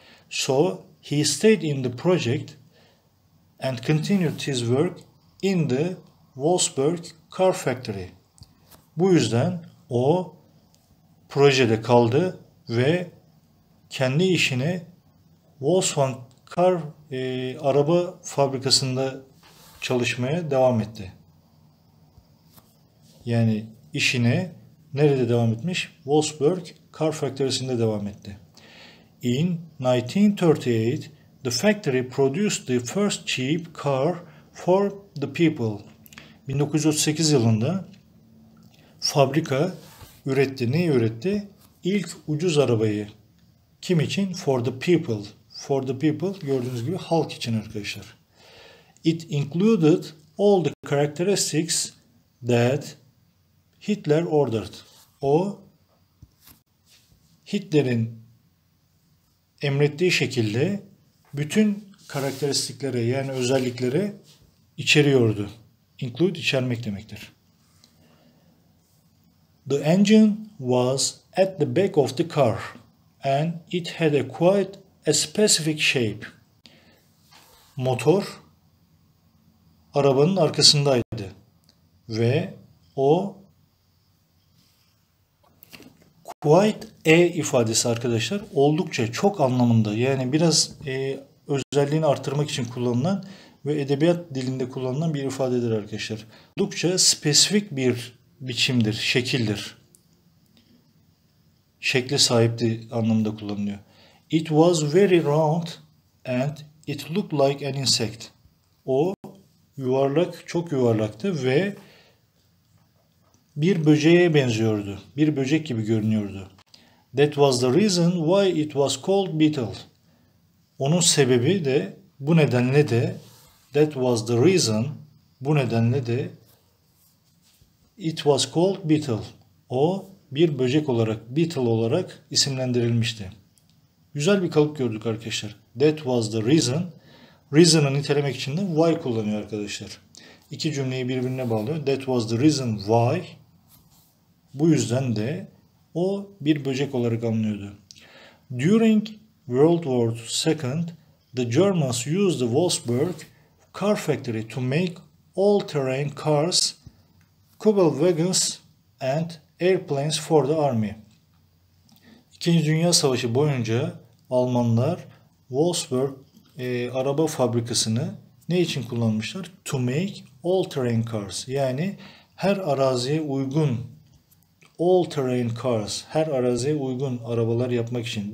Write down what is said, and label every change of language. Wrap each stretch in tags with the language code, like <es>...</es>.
<en>So he stayed in the project and continued his work in the Wolfsburg car factory.</en> <tr>Bu yüzden o projede kaldı ve kendi işini Wolfsburg car araba fabrikasında çalışmaya devam etti. Yani işine nerede devam etmiş? Wolfsburg</tr> <en>car factory'sinde</en> <tr>devam etti.</tr> <en>In 1938, the factory produced the first cheap car for the people.</en> <tr>1938 yılında fabrika üretti. Neyi üretti? İlk ucuz arabayı. Kim için?</tr> <en>For the people. For the people</en> <tr>gördüğünüz gibi halk için arkadaşlar.</tr> <en>It included all the characteristics that Hitler ordered.</en> <tr>O Hitler'in emrettiği şekilde bütün karakteristikleri yani özellikleri içeriyordu. Include içermek demektir.</tr> <en>The engine was at the back of the car and it had a quite a specific shape.</en> <tr>Motor arabanın arkasındaydı ve o</tr> <en>quite a</en> <tr>ifadesi arkadaşlar oldukça çok anlamında yani biraz özelliğini artırmak için kullanılan ve edebiyat dilinde kullanılan bir ifadedir arkadaşlar. Oldukça spesifik bir biçimdir, şekildir. Şekle sahipti anlamında kullanılıyor.</tr> <en>It was very round and it looked like an insect.</en> <tr>O yuvarlak, çok yuvarlaktı ve bir böceğe benziyordu. Bir böcek gibi görünüyordu.</tr> <en>That was the reason why it was called beetle.</en> <tr>Onun sebebi de, bu nedenle de,</tr> <en>that was the reason,</en> <tr>bu nedenle de,</tr> <en>it was called beetle.</en> <tr>O bir böcek olarak, beetle olarak isimlendirilmişti. Güzel bir kalıp gördük arkadaşlar.</tr> <en>That was the reason.</en> <tr>Reason'ı nitelemek için de why kullanıyor arkadaşlar. İki cümleyi birbirine bağlıyor.</tr> <en>That was the reason why.</en> <tr>Bu yüzden de o bir böcek olarak anlıyordu.</tr> <en>During World War II, the Germans used the Wolfsburg car factory to make all-terrain cars Cobble Wagons and Airplanes for the Army.</en> <tr>İkinci Dünya Savaşı boyunca Almanlar Wolfsburg araba fabrikasını ne için kullanmışlar?</tr> <en>To make all terrain cars.</en> <tr>Yani her araziye uygun</tr> <en>all terrain cars,</en> <tr>her araziye uygun arabalar yapmak için.</tr>